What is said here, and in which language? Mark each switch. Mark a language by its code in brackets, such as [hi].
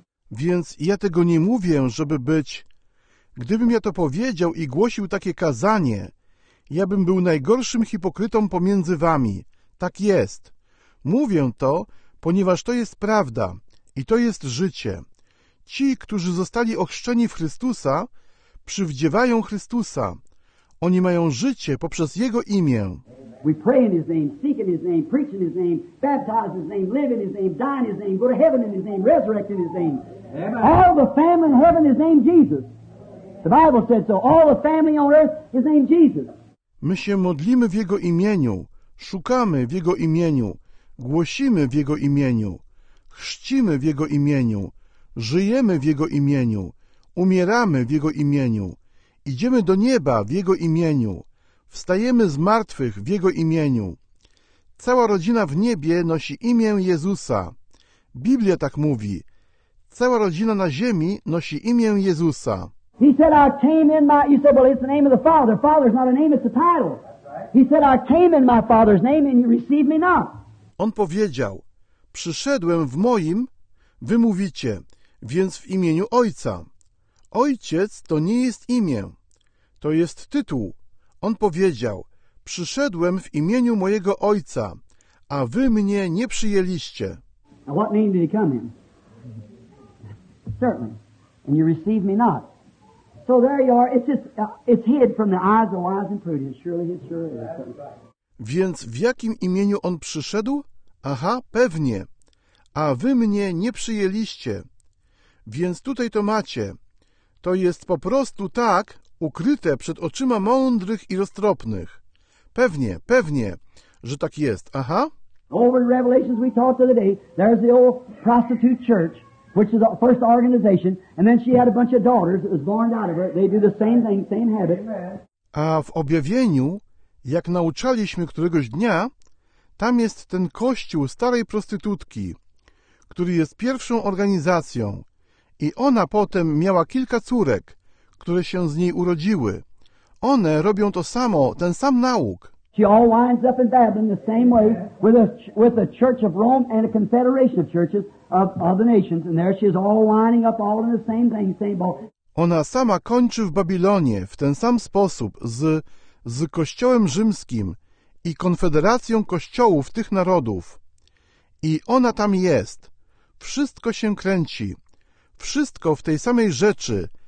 [pl] Więc ja tego nie mówię, żeby być... Gdybym ja to powiedział i głosił takie kazanie, ja bym był najgorszym hipokrytą pomiędzy wami. Tak jest. Mówię to, ponieważ to jest prawda i to jest życie. Ci, którzy zostali ochrzczeni w Chrystusa, przywdziewają Chrystusa. Oni mają życie poprzez Jego imię. [en] We pray in His name, seek in His name, preach in His name, baptize in His name, live in His name, die in His name, go to heaven in His name, resurrect in His name. Amen. All the family in heaven is named Jesus. The Bible said so. All the family on earth is named Jesus. [pl] My się modlimy w Jego imieniu, szukamy w Jego imieniu, głosimy w Jego imieniu, chrzcimy w Jego imieniu, żyjemy w Jego imieniu, umieramy w Jego imieniu, idziemy do nieba w Jego imieniu. Wstajemy z martwych w Jego imieniu. Cała rodzina w niebie nosi imię Jezusa. Biblia tak mówi. Cała rodzina na ziemi nosi imię Jezusa. [en] He said, I came in my... You said, well, it's the name of the Father. Father's not a name, it's a title. He said, I came in my Father's name and you received me not. [pl] On powiedział, przyszedłem w moim, wy mówicie, więc w imieniu Ojca. Ojciec to nie jest imię, to jest tytuł. On powiedział, przyszedłem w imieniu mojego Ojca, a wy mnie nie przyjęliście. [en] Now what name did he come in? Certainly. And you received me not. So there you are. It's just, it's hid from the eyes of wise and prudent. Surely it sure is. [pl] Więc w jakim imieniu on przyszedł? Aha, pewnie. A wy mnie nie przyjęliście. Więc tutaj to macie. To jest po prostu tak, ukryte przed oczyma mądrych i roztropnych. Pewnie, pewnie, że tak jest. Aha. [en] Over the revelations we talked to today, there's the old prostitute church, which is the first organization, and then she had a bunch of daughters that was born out of her. They do the same thing, same habit. [pl] A w objawieniu, jak nauczaliśmy któregoś dnia, tam jest ten kościół starej prostytutki, który jest pierwszą organizacją i ona potem miała kilka córek, które się z niej urodziły. One robią to samo, ten sam nauk. [en] She all winds up in Babylon the same way with a church of Rome and a confederation of churches of other nations, and there she is all winding up all in the same thing, same ball. [pl] Ona sama kończy w Babilonie w ten sam sposób z Kościołem Rzymskim i Konfederacją Kościołów tych narodów. I ona tam jest. Wszystko się kręci. Wszystko w tej samej rzeczy.